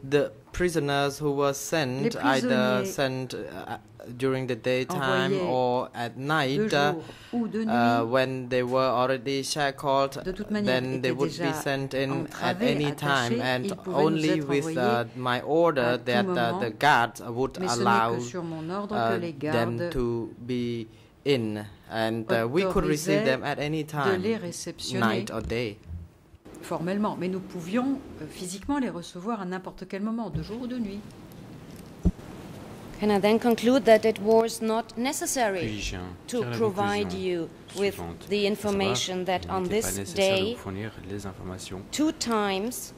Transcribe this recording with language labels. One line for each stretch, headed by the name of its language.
English: The prisoners who were sent, either sent during the daytime or at night, when they were already shackled, then they would be sent in at any time, and only with my order that the guards would allow them to be in, and we could receive them at any time, night or day.
French: Formellement, mais nous pouvions physiquement les recevoir à n'importe quel moment, de jour ou de nuit.
English: Can I then conclude that it was not necessary to provide you with the information that on this day, two times,